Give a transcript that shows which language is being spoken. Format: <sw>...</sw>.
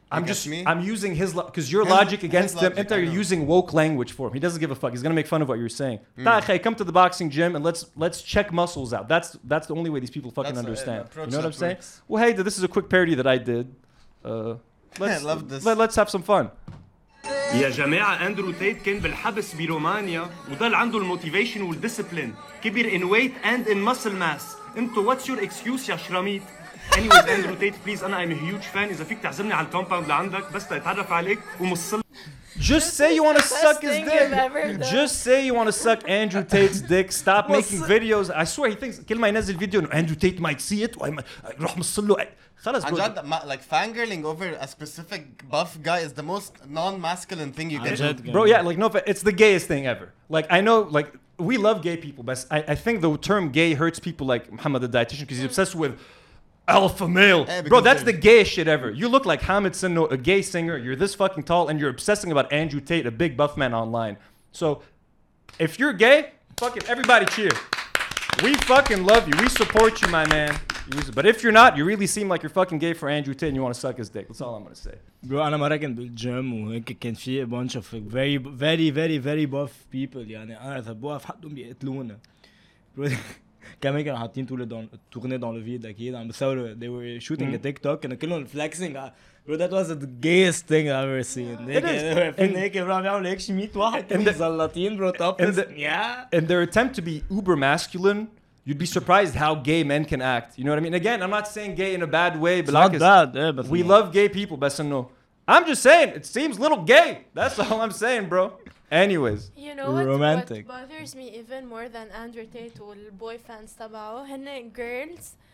<en>I'm using his... Because your logic against him, you're using woke language for him. He doesn't give a fuck. He's going to make fun of what you're saying. Hey, come to the boxing gym and let's check muscles out. That's the only way these people fucking understand. You know what I'm saying? Well, hey, this is a quick parody that I did. I love this. Let's have some fun.</en> <ar>يا جماعة أندرو تيت كان بالحبس برومانيا وضل عنده الموتيفيشن والديسيبلين كبير</ar> <en>in weight and in muscle mass. انتو what's your excuse</en> <ar>يا شراميت؟</ar> <en>Anyways Andrew Tate please, أنا I'm a huge fan.</en> <ar>إذا فيك تعزمني على الكومباوند لعندك بس تتعرف عليك ومصل.</ar> <en>Just say you want to suck his dick. Just say you want to suck Andrew Tate's dick. Stop making videos. I swear he thinks</en> <ar>كل ما ينزل فيديو</ar> <en>Andrew Tate might see it</en> <ar>راح مصل له.</ar> <en>Like fangirling over a specific buff guy is the most non-masculine thing you can do. Bro, yeah, like no, it's the gayest thing ever. Like I know, like we love gay people, but I think the term gay hurts people like Muhammad the dietitian because he's obsessed with alpha male. Bro, that's the gayest shit ever. You look like Hamid Sinno, a gay singer. You're this fucking tall and you're obsessing about Andrew Tate, a big buff man online. So if you're gay, fucking everybody cheer. We fucking love you. We support you, my man. But if you're not, you really seem like you're fucking gay for Andrew Tate and you want to suck his dick. That's all I'm going to say. Bro, I'm a in the gym and I can see a bunch of very, very, very, very buff people. I'm going to say, bro, I'm going to kill them. Bro,</en> <ar>كمان كانوا حاطين طول التورني دون لو فيد اكيد عم بيصوروا</ar> <en>they were shooting a TikTok</en> <ar>كانوا كلهم</ar> <en>flexing bro that was the gayest thing I've ever seen</en> <ar>نيكي برو عم يعمل هيك شي 100 واحد كانوا مزلطين برو</ar> <en>in their attempt to be uber masculine you'd be surprised how gay men can act you know what I mean again I'm not saying gay in a bad way but it's not bad but we love gay people</en> <ar>بس انه</ar> <en>I'm just saying it seems a little gay that's all I'm saying bro Anyways, you know what, romantic. What bothers me even more than Andrew Tate or boy fans tabao, henna girls,</en>